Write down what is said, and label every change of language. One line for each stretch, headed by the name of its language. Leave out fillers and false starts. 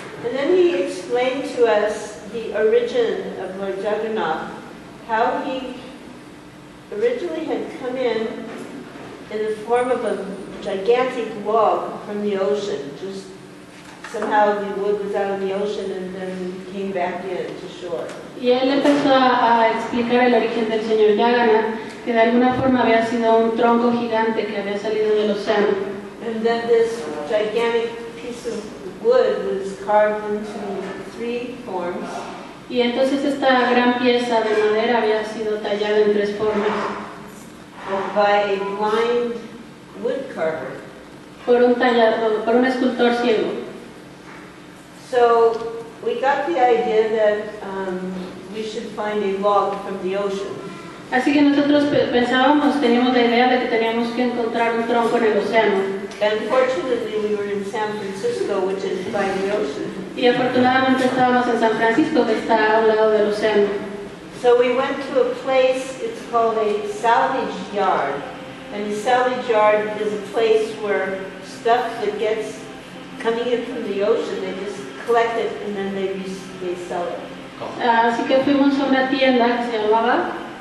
English: And then he explained to us the origin of Lord Jagannath, how he originally had come in the form of a gigantic log from the ocean, just somehow the wood was out of the ocean and then came back in to shore.
Spanish: Y él empezó a explicar el origen del señor Jagannath, que de alguna forma había sido un tronco gigante que había salido del océano.
English: And then this gigantic piece of wood was carved into three forms.
Spanish: Y entonces esta gran pieza de madera había sido tallada en tres formas.
English: By a blind wood carver.
Spanish: Por un escultor ciego.
English: So we got the idea that we should find a log from the ocean.
Spanish: Así que nosotros pensábamos, teníamos la idea de que teníamos que encontrar un tronco en el océano.
English: And fortunately we were in San Francisco, which is by the ocean.
Spanish: Y afortunadamente estábamos en San Francisco, que está al lado del océano.
English: So we went to a place, it's called a salvage yard. And a salvage yard is a place where stuff that gets coming in from the ocean, they just collect it and then they sell it.
Spanish: Así que fuimos a una tienda que se llamaba